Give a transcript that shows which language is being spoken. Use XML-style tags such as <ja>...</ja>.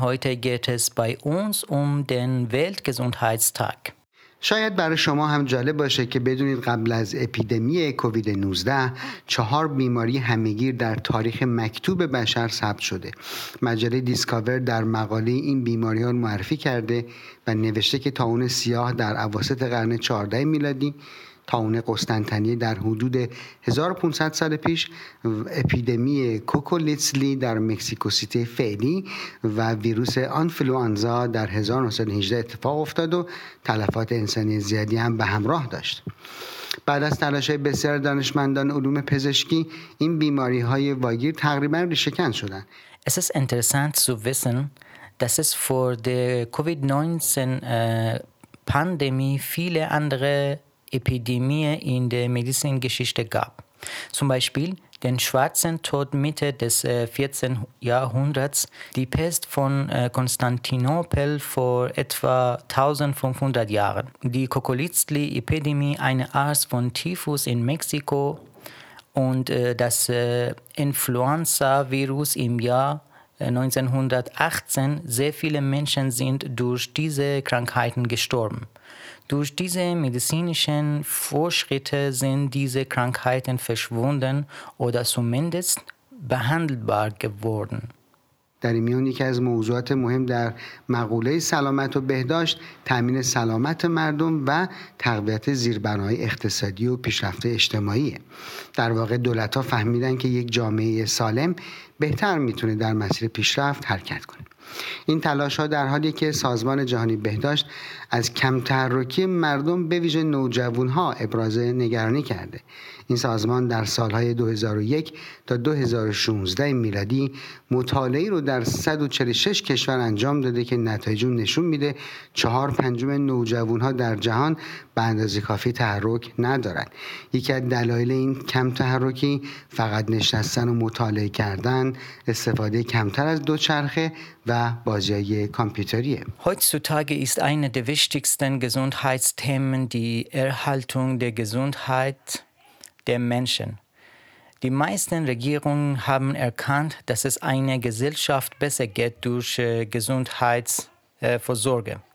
<de>Heute geht es bei uns den Weltgesundheitstag.</de> <fa>شاید برای شما هم جالب باشه که بدونید قبل از اپیدمی کووید 19 4 بیماری همگیر در تاریخ مکتوب بشر ثبت شده. مجله دیسکاور در مقاله این بیماری ها معرفی کرده و نوشته که طاعون سیاه در اواسط قرن 14 میلادی، طاعون قسطنطنیه در حدود 1500 سال پیش، اپیدمی کوکولیتسلی در مکسیکو سیتی فعلی و ویروس آنفلوانزا در 1918 اتفاق افتاد و تلفات انسانی زیادی هم به همراه داشت. بعد از تلاش‌های بسیار دانشمندان علوم پزشکی، این بیماری‌های واگیر تقریبا ریشه‌کن شدند.</fa> <de>Es ist interessant zu wissen, dass es vor der Covid-19 Pandemie viele andere Epidemie in der Medizingeschichte gab. Zum Beispiel den Schwarzen Tod Mitte des 14. Jahrhunderts, die Pest von Konstantinopel vor etwa 1500 Jahren, die Kokolizli-Epidemie, eine Art von Typhus in Mexiko und das Influenza-Virus im Jahr 1918. Sehr viele Menschen sind durch diese Krankheiten gestorben. Durch diese medizinischen Fortschritte sind diese Krankheiten verschwunden oder zumindest behandelbar geworden.</de> <fa>در میون یکی از موضوعات مهم در مقوله سلامت و بهداشت، تأمین سلامت مردم و تقویت زیربنای اقتصادی و پیشرفت اجتماعی. در واقع دولت‌ها فهمیدن که یک جامعه سالم بهتر میتونه در مسیر پیشرفت حرکت کنه. این تلاش ها در حالی که سازمان جهانی بهداشت از کم تحرکی مردم به ویژه نوجوان ها ابراز نگرانی کرده. این سازمان در سالهای 2001 تا 2016 میلادی مطالعه رو در 146 کشور انجام داده که نتایجون نشون میده 4/5 نوجوان ها در جهان به اندازه کافی تحرک ندارن. یکی از دلایل این کم تحرکی فقط نشستن و مطالعه کردن، استفاده کمتر از دوچرخه و بازی‌های کامپیوتریه.</fa> <de>Heutzutage ist eine der wichtigsten Gesundheitsthemen die Erhaltung der Gesundheit der Menschen. Die meisten Regierungen haben erkannt, dass es einer Gesellschaft besser geht durch Gesundheitsvorsorge.</de>